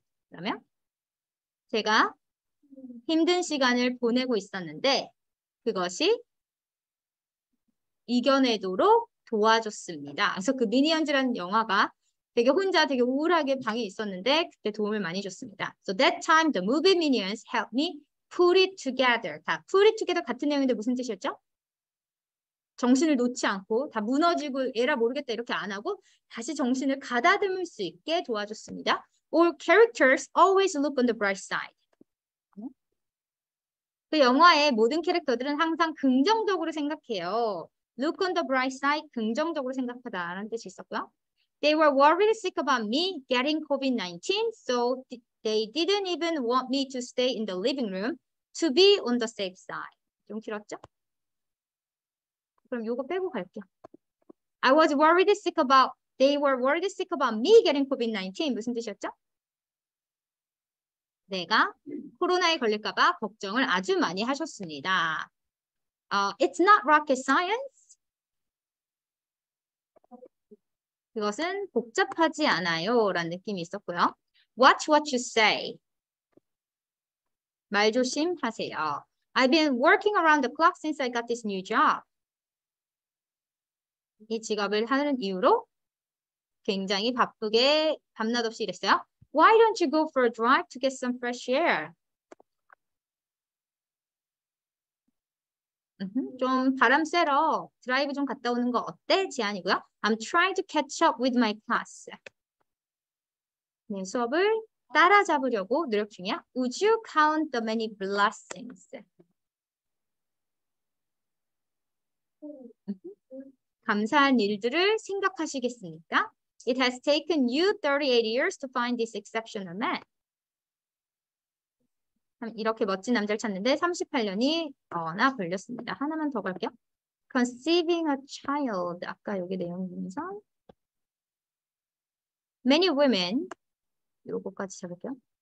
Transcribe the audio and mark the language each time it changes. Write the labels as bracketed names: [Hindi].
[Korean] 그러면 제가 힘든 시간을 보내고 있었는데 그것이 이겨내도록 도와줬습니다. 그래서 그 미니언즈라는 영화가 되게 혼자 되게 우울하게 방에 있었는데 그때 도움을 많이 줬습니다. [English] So that time the movie Minions helped me put it together. [Korean] 다 [English] put it together [Korean] 같은 내용인데 무슨 뜻이었죠? 정신을 놓지 않고 다 무너지고 얘라 모르겠다 이렇게 안 하고 다시 정신을 가다듬을 수 있게 도와줬습니다. [English] All characters always look on the bright side. [Korean] 그 영화의 모든 캐릭터들은 항상 긍정적으로 생각해요. [English] Look on the bright side, [Korean] 긍정적으로 생각하다라는 뜻이 있었고요. [English] They were worried sick about me getting COVID-19, so they didn't even want me to stay in the living room to be on the safe side. [Korean] 좀 길었죠? 그럼 이거 빼고 갈게요. [English] I was worried sick about, they were worried sick about me getting COVID-19. [Korean] 무슨 뜻이었죠? 내가 코로나에 걸릴까 봐 걱정을 아주 많이 하셨습니다. [English] It's not rocket science. [Korean] 그것은 복잡하지 않아요 라는 느낌이 있었고요. [English] Watch what you say. [Korean] 말 조심하세요. [English] I've been working around the clock since I got this new job. [Korean] 이 직업을 하는 이유로 굉장히 바쁘게 밤낮없이 일했어요. [English] Why don't you go for a drive to get some fresh air? [Korean] 좀 바람 쐬러 드라이브 좀 갔다 오는 거 어때? 제안이고요. [English] I'm trying to catch up with my class. [Korean] 내 수업을 따라잡으려고 노력 중이야. [English] Would you count the many blessings? Mm-hmm. [Korean] 감사한 일들을 생각하시겠습니까? [English] It has taken you 38 years to find this exceptional man. [Korean] 이렇게 멋진 남자를 찾는데 38년이 더나 걸렸습니다. 하나만 더 갈게요. [English] Conceiving a child. [Korean] 아까 여기 내용에서 [English] Many women. [Korean] 요거까지 잡을게요.